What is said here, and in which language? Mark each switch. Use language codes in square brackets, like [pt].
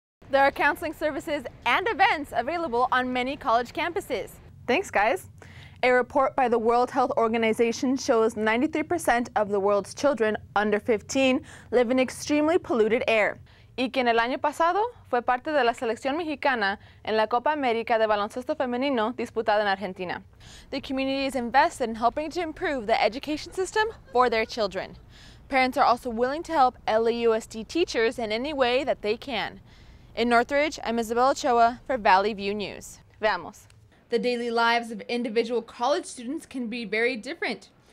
[en] There are counseling services and events available on many college campuses. Thanks, guys. A report by the World Health Organization shows 93% of the world's children under 15 live in extremely polluted air. [es] Y quien el año pasado fue parte de la selección mexicana en la Copa América de Baloncesto Femenino disputada en Argentina. [en] The community is invested in helping to improve the education system for their children. Parents are also willing to help LAUSD teachers in any way that they can. In Northridge, I'm Isabel Ochoa for Valley View News. [es] Vamos. [en] The daily lives of individual college students can be very different.